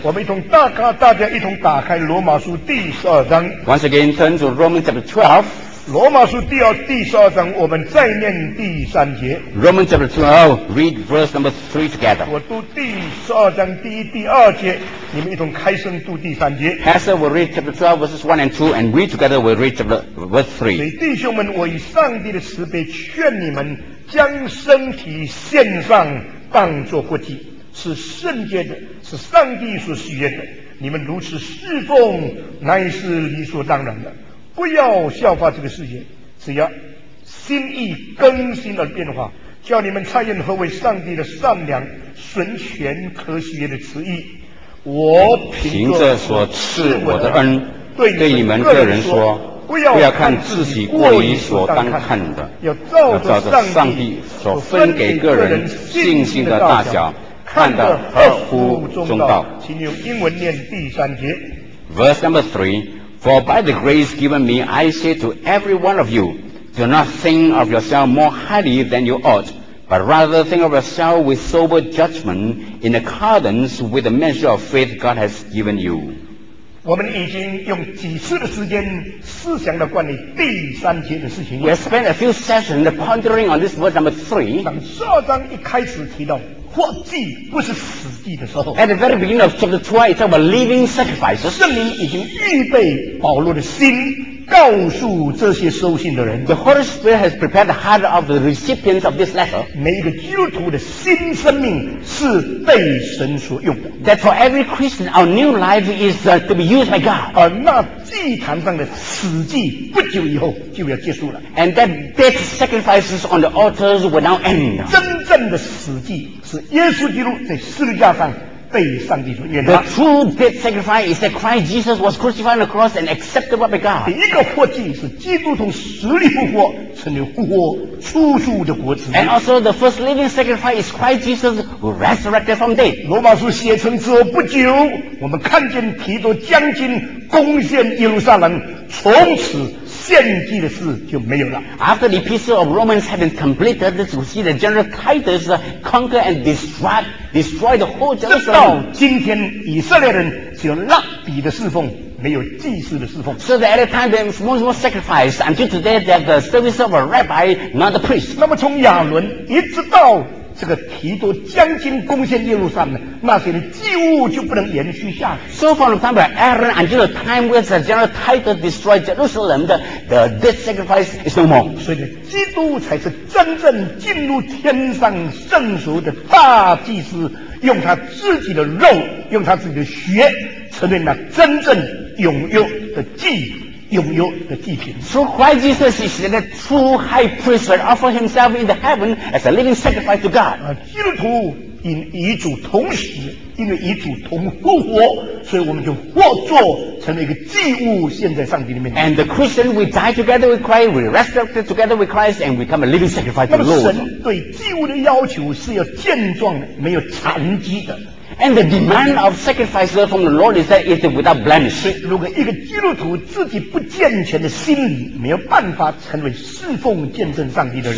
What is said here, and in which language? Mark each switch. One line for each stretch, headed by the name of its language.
Chinese: 我们一同大家，大家一同打开罗马书第十二章。
English: Once again, turn to Romans chapter 12.
Chinese: 罗马书第二第十二章，我们再念第三节。
English: Romans chapter 12, read verse number 3 together.
Chinese: 我读第十二章第一、第二节，你们一同开声读第三节。
English: Pastor will read chapter 12 verses 1 and 2, and we together will read chapter verse 3.
Chinese: 所以弟兄们，我以上帝的慈悲劝你们，将身体献上，当作活祭，是圣洁的，是上帝所喜悦的。你们如此侍奉，乃是理所当然的。不要效法这个世界，只要心意更新而变化，叫你们察验何为上帝的善良、纯全、可喜悦的旨意。我凭着所赐我的恩，对你们个人说，不要看自己过于所当看的，要照着上帝所分给个人信心的大小，看得合乎中道。请用英文念第三节。
English: Verse number 3, For by the grace given me, I say to every one of you, do not think of yourself more highly than you ought, but rather think of yourself with sober judgment in accordance with the measure of faith God has given you.
Chinese: 我们已经用几次的时间思想的管理第三节的事情。
English: We spent a few sessions pondering on this verse number three.
Chinese: 当十二章一开始提到活祭不是死祭的时候
English: ，At the very beginning of chapter 12, it's about living sacrifices.
Chinese: 圣灵已经预备保罗的心，告诉这些收信的人。
English: The Holy Spirit has prepared the heart of the recipients of this letter.
Chinese: 每一个基督徒的新生命是被神所用的。
English: That for every Christian, our new life is to be used by God.
Chinese: 而那祭坛上的死祭不久以后就要结束了。
English: And that dead sacrifices on the altars will now end.
Chinese: 真正的死祭是耶稣基督在十字架上被上帝所悦纳。
English: The true dead sacrifice is that Christ Jesus was crucified on the cross and accepted by God.
Chinese: 第一个活祭是基督从死里复活，成了复活出处的活子。
English: And also the first living sacrifice is Christ Jesus who resurrected from dead.
Chinese: 罗马书写成之后不久，我们看见提多将军攻陷耶路撒冷，从此献祭的事就没有了。
English: After the epistle of Romans had been completed, this we see the general Titus conquer and destroy the whole Jerusalem.
Chinese: 直到今天，以色列人只有拉比的侍奉，没有祭司的侍奉。
English: So that at the time there was more sacrifice, until today they have the service of a rabbi, not a priest.
Chinese: 那么从亚伦一直到这个提多将军攻陷耶路撒冷，那些的祭物就不能延续下去。
English: So from the time of Aaron until the time when the general Titus destroyed Jerusalem, the dead sacrifice is no more.
Chinese: 所以基督才是真正进入天上圣所的大祭司，用他自己的肉，用他自己的血，成为那真正永有的祭。拥有的祭品。
English: So Christ Jesus is the true high priest that offered himself in the heaven as a living sacrifice to God.
Chinese: 基督徒因与主同死，因为与主同复活，所以我们就获作成为一个祭物，献在上帝的面前。
English: And the Christian, we die together with Christ, we resurrected together with Christ, and we become a living sacrifice to the Lord.
Chinese: 那么神对祭物的要求是要健壮的，没有残疾的。
English: And the demand of sacrifice from the Lord is that it is without blemish.
Chinese: 如果一个基督徒自己不健全的心理，没有办法成为侍奉见证上帝的人。